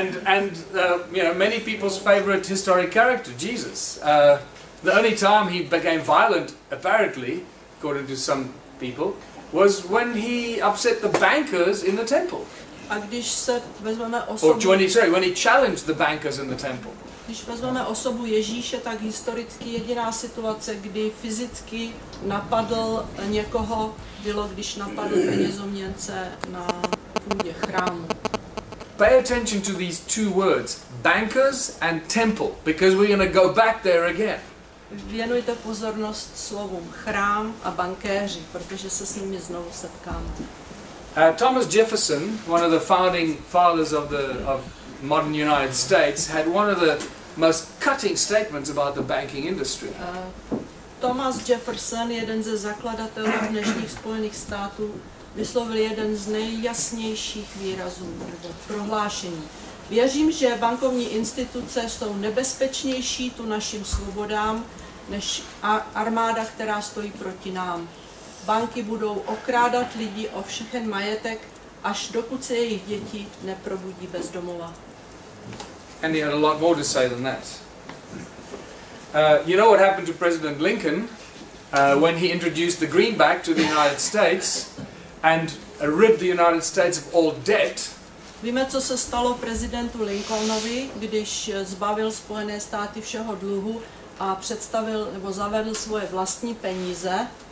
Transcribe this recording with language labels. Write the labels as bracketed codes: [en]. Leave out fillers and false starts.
[en] and many people's favorite historic character, Jesus. The only time he became violent, apparently, according to some people, was when he upset the bankers in the temple. [cs] A když se vezmeme [en] when he challenged the bankers in the temple. [cs] Když vezmeme osobu Ježíše, tak historicky jediná situace, kdy fyzicky napadl někoho, bylo když napadl penězoměnce na půdě chrámu. [en] Pay attention to these two words, bankers and temple, because we're going to go back there again. [cs] Věnujte pozornost slovům chrám a bankéři, protože se s nimi znovu setkáme. [en] Thomas Jefferson, one of the founding fathers of modern United States, had one of the most cutting statements about the banking industry. [cs] Thomas Jefferson, jeden ze zakladatelů dnešních Spojených států, vyslovil jeden z nejjasnějších výrazů nebo prohlášení. Věřím, že bankovní instituce jsou nebezpečnější tu našim svobodám než armáda, která stojí proti nám. Banky budou okrádat lidi o všechen majetek, až dokud se jejich děti neprobudí bez domova. [en] And he had a lot more to say than that. You know what happened to President Lincoln when he introduced the greenback to the United States and rid the United States of all debt? [cs] Víme, co se stalo prezidentu Lincolnovi, když zbavil Spojené státy všeho dluhu a představil nebo zavedl svoje vlastní peníze.